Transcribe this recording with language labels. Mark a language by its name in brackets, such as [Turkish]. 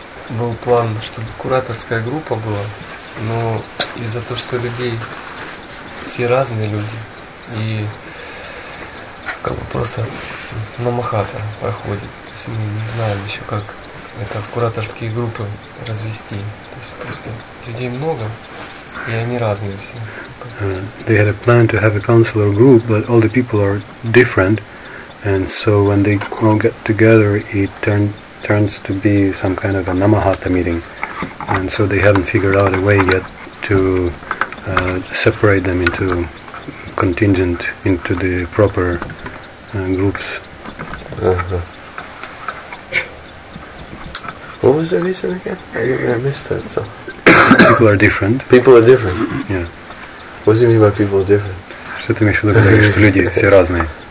[Russian] Был план, чтобы кураторская группа была, но из-за того, что людей все разные люди, и как бы просто на махата проходит. То есть мы не знаем еще, как это в кураторские группы развести. То есть просто людей много, и они разные все. [English] They had a plan to have a counselor group, but all the people are different, and so when they all get together, it turns to be some kind of a Namahata meeting, and so they haven't figured out a way yet to separate them into contingent, into the proper groups. What was the reason again? I missed that. So people are different. People are different. Yeah. What do you mean by people are different? [Russian] Что ты имеешь в виду, что люди все разные?